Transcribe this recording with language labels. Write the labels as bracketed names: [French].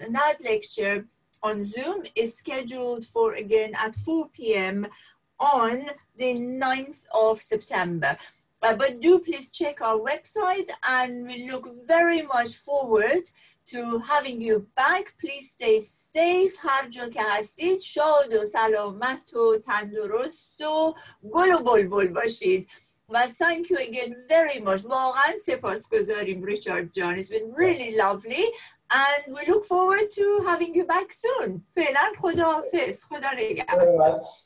[English] And that lecture on Zoom is scheduled for again at 4 p.m. on the 9th of September. But do please check our website, and we look very much forward to having you back. Please stay safe. [Persian] هر جا که هستید شاد و سلامت و تندرست و گل و بلبل باشید. [English] Well, thank you again very much. [Persian] واقعا سپاسگزاریم [English] Richard John. It's been really lovely, and we look forward to having you back soon. [Persian] فعلا خداحافظ. خدا نگهدار.